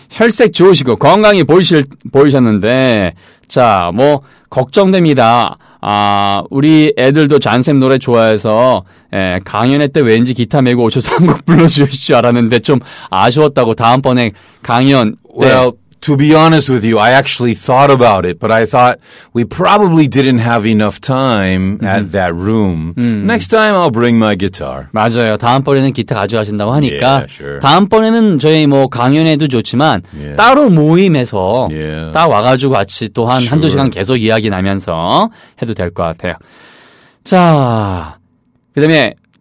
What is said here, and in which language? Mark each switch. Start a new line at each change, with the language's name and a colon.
Korean: 혈색 좋으시고 건강히 보이셨는데 자, 뭐 걱정됩니다. 아, 우리 애들도 잔쌤 노래 좋아해서 강연회 때 왠지 기타 메고 오셔서 한 곡 불러주실 줄 알았는데 좀 아쉬웠다고 다음번에 강연 때.
English: Well, to be honest with you, I actually thought about it, but I thought we probably didn't have enough time at that room. Next time I'll bring my guitar.
Korean: 맞아요. 다음번에는 기타 가져가신다고 하니까
English: yeah, sure.
Korean: 다음번에는 저희 뭐 강연회도 좋지만
English: yeah.
Korean: 따로 모임에서
English: yeah.
Korean: 딱 와가지고 같이 또 한 sure. 한두 시간 계속 이야기 나면서 해도 될 것 같아요. 자, 그다음에